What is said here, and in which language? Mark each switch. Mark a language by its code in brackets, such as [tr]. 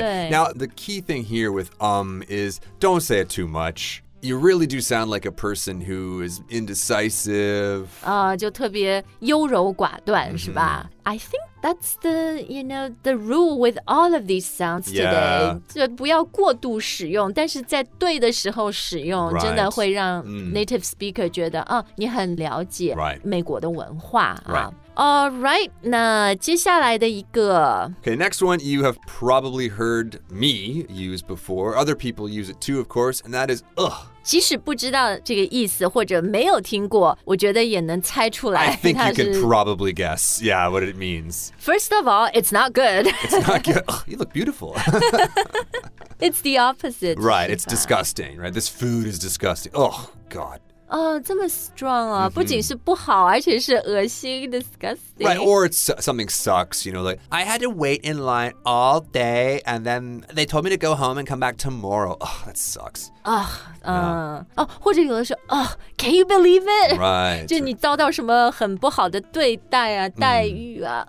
[en] Now, the key thing here with is don't say it too much. You really do sound like a person who is indecisive. [zh] 就特别优柔寡断是吧 [en] I think that's the, you know, the rule with all of these sounds today. [zh] 就不要过度使用但是在对的时候使用、 [en] right. [zh] 真的会让 native speaker 觉得、你很了解美国的文化 [en] Right. [zh] Alright, 那接下来的一个 [en] Okay, next one you have probably heard me use before. Other people use it too, of course, and that is ugh. [zh] 即使不知道这个意思或者没有听过我觉得也能猜出来 [en] I think you can probably guess, yeah, what it means. First of all, it's not good. Ugh, you look beautiful. It's the opposite. Right, it's disgusting, right? This food is disgusting. Oh, God. [zh] 这么 strong 啊、不仅是不好而且是恶心 disgusting [en] Right, or it's something sucks, you know, like I had to wait in line all day and then they told me to go home and come back tomorrow Ugh, that sucks Yeah. [zh] 或者有的时候 [en] can you believe it? Right [zh] 就你遭到什么很不好的对待啊、待遇啊、